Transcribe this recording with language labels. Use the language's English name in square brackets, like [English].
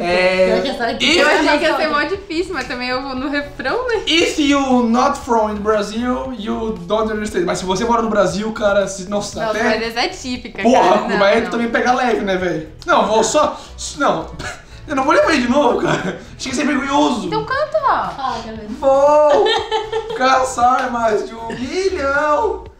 [Portuguese] Eu achei que ia ser mó difícil, mas também eu vou no refrão, né? [English] If you not from Brazil, you don't understand. [Portuguese] Mas se você mora no Brasil, cara, se, nossa, não, até... Mas essa é típica, porra, cara. Porra, mas aí tu também pega leve, né, velho? Não, vou só... Não, eu não vou ler pra ele de novo, cara. Achei que ia ser vergonhoso. Então canta, ó. Fala, galera. Vou caçar mais de 1 milhão.